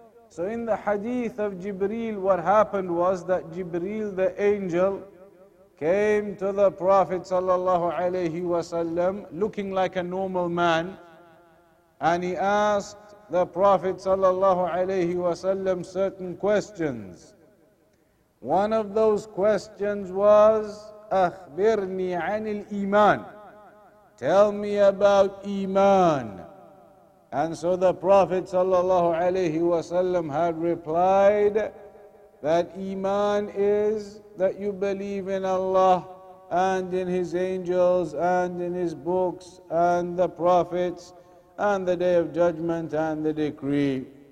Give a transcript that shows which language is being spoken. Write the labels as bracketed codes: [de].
[en] So in the hadith of Jibreel, what happened was that Jibreel, the angel, came to the Prophet sallallahu alayhi wasallam looking like a normal man, and he asked the Prophet sallallahu alayhi wasallam certain questions. One of those questions was, [ar] أخبرني عن الإيمان. [en] Tell me about Iman. And so the Prophet sallallahu alayhi wasallam had replied that Iman is that you believe in Allah and in His angels and in His books and the prophets and the Day of Judgment and the decree.